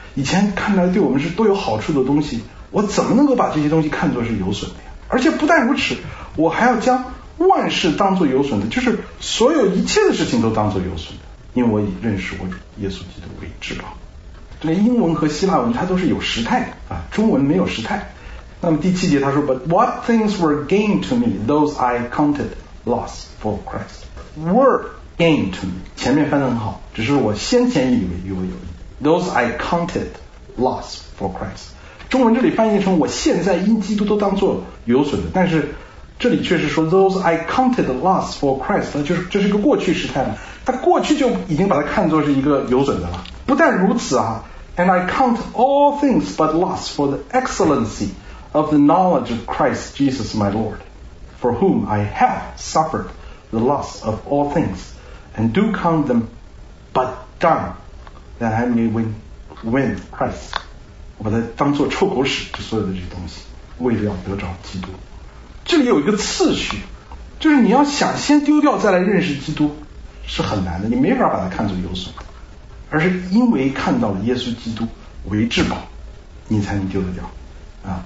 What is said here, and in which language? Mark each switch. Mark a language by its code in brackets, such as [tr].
[zh] 以前看来对我们是多有好处的东西，我怎么能够把这些东西看作是有损的呀？而且不但如此，我还要将万事当作有损的，就是所有一切的事情都当作有损的，因为我已认识我主耶稣基督为至宝。这英文和希腊文它都是有时态的啊，中文没有时态。那么第七节他说 [en] But what things were gained to me, those I counted loss for Christ. Were gained to me, [zh] 前面翻得很好，只是我先前以为与我有益。 [en] Those I counted loss for Christ. [zh] 中文这里翻译成我现在因基督都当作有损的，但是这里确实说 Those I counted loss for Christ, 就是这是一个过去时态嘛，他过去就已经把它看作是一个有损的了。不但如此啊， [en] And I count all things but loss for the excellency of the knowledge of Christ Jesus my Lord, for whom I have suffered the loss of all things, and do count them but dung, that I may win Christ. [zh] 我把它当作臭狗屎，就所有的这些东西，为了要得着基督。这里有一个次序，就是你要想先丢掉再来认识基督是很难的，你没法把它看作有损，而是因为看到了耶稣基督为至宝，你才能丢得掉啊。